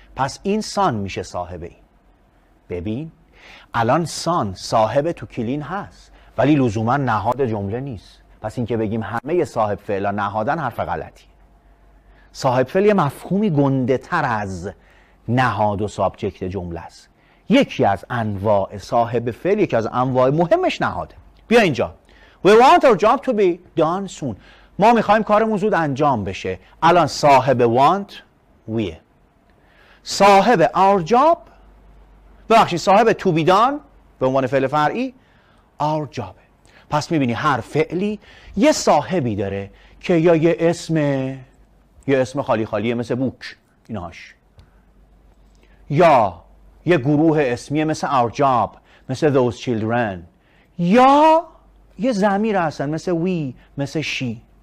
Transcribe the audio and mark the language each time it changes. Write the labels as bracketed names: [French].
[Persian] پس این سان میشه صاحب این. ببین الان سان صاحب تو کلین هست ولی لزوما نهاد جمله نیست. پس اینکه بگیم همه صاحب فعلا نهادن حرف غلطی. صاحب فعل یه مفهومی گنده تر از نهاد و سابجکت جمله است. یکی از انواع صاحب فعل، یکی از انواع مهمش نهاده. بیا اینجا. [English] We want our job to be done soon. [Persian] ما میخواییم کارمون زود انجام بشه. الان صاحب want we. صاحب our job، ببخشید صاحب to be done به عنوان فعل فرعی our job. پس میبینی هر فعلی یه صاحبی داره که یا یه اسم، یه اسم خالی خالیه مثل بوک ایناش، یا یه گروه اسمیه مثل our job، مثل those children، یا یه ضمیر هستن مثل we، مثل she.